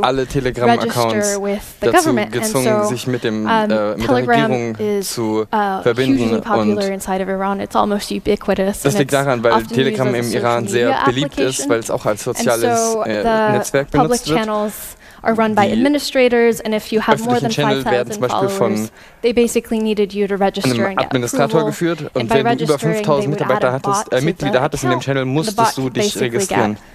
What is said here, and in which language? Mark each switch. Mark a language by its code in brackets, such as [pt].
[de] alle Telegram-Accounts dazu gezwungen, sich mit dem mit der Regierung zu verbinden. [en] It's almost ubiquitous. [de] Das liegt daran, weil Telegram im Iran sehr beliebt ist, weil es auch als soziales Netzwerk benutzt wird. [en] Are run by administrators, and if you have more than 5,000 followers, they basically needed you to register and get approval. [de] Administrator geführt, und wenn du über 5,000 Mitarbeiter hattest, Mitglieder hattest in dem Channel, musstest du dich registrieren.